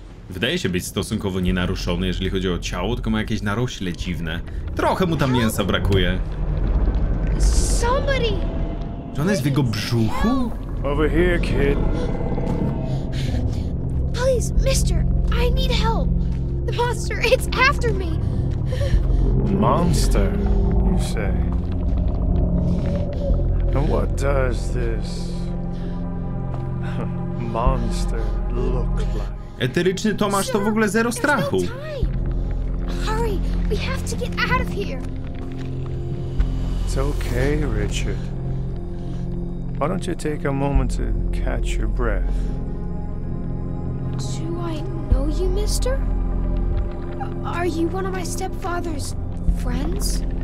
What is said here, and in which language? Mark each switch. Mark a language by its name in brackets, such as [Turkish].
[Polish] Wydaje się być stosunkowo nienaruszony, jeżeli chodzi o ciało, tylko ma jakieś narośle dziwne. Trochę mu tam mięsa brakuje. [English] Somebody. [Polish] Czy ona jest w jego brzuchu? [English] Over here, kid. Please, mister, I need help. The monster, it's after me. Monster, you say? And what does this monster look like? [Polish] Eteryczny Tomasz to w ogóle zero strachu. [English] Hurry, we have to get out of here. It's okay, Richard. Why don't you take a moment to catch your breath? Do I know you, mister? Are you one of my stepfather's friends?